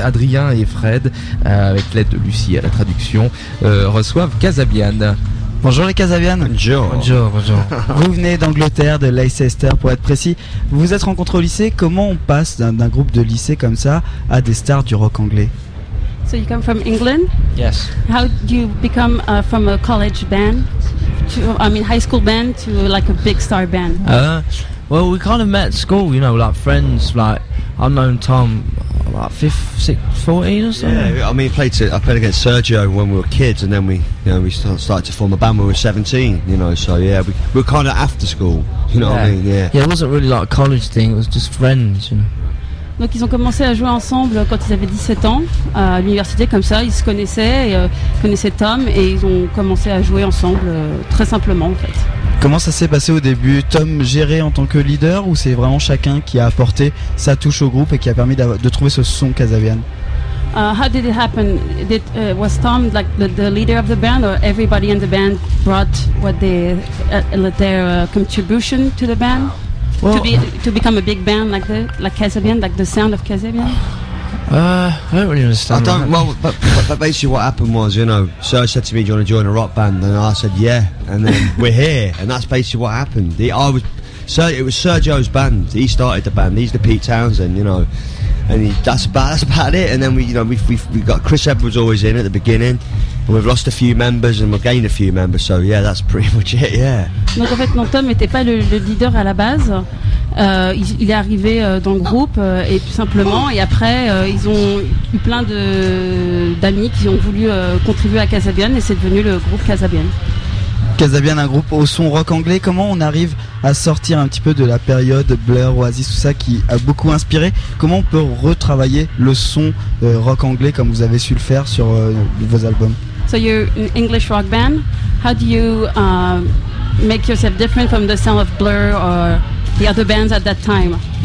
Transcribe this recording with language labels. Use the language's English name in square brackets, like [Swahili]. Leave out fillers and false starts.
[French] Adrien et Fred, avec l'aide de Lucie à la traduction, reçoivent Casabian. Bonjour les Casabian. Bonjour. Bonjour, bonjour. Vous venez d'Angleterre, de Leicester pour être précis. Vous vous êtes rencontrés au lycée. Comment on passe d'un groupe de lycée comme ça à des stars du rock anglais? [English] So you come from England? Yes. How do you become from a college band to, I mean, high school band to like a big star band? Well, we kind of met at school, you know, like friends, like I've known Tom about 14 or something. Yeah, I mean, I played against Sergio when we were kids, and then we, you know, we started to form a band when we were 17, you know. So yeah, we were kind of after school, you know. Yeah. What I mean? Yeah. Yeah, it wasn't really like a college thing. It was just friends, you know. [French] Donc ils ont commencé à jouer ensemble quand ils avaient 17 ans à l'université, comme ça ils se connaissaient, connaissaient Tom, et ils ont commencé à jouer ensemble très simplement en fait. Comment ça s'est passé au début? Tom gérait en tant que leader, ou c'est vraiment chacun qui a apporté sa touche au groupe et qui a permis de trouver ce son Casabian? [English] How did it happen? Was Tom like the leader of the band, or everybody in the band brought what they their contribution to the band? Well, to become a big band like Casabian, like the sound of Casabian? I don't really understand. But basically what happened was, you know, Serge said to me, do you want to join a rock band? And I said, yeah. And then we're here. And that's basically what happened. It was Sergio's band. He started the band. He's the Pete Townsend, you know. And that's about it. And then we got Chris Edwards always in at the beginning. We've lost a few members and we've gained a few members, so yeah, that's pretty much it, yeah. [French] Donc en fait, non, Tom n'était pas le leader à la base. Il est arrivé dans le groupe, et tout simplement, et après, ils ont eu plein d'amis qui ont voulu contribuer à Casabian, et c'est devenu le groupe Casabian. Casabian, un groupe au son rock anglais. Comment on arrive à sortir un petit peu de la période Blur, Oasis, tout ça qui a beaucoup inspiré? Comment on peut retravailler le son rock anglais comme vous avez su le faire sur vos albums? [English] So you're an English rock band. How do you make yourself different from the sound of Blur or the other bands at that time?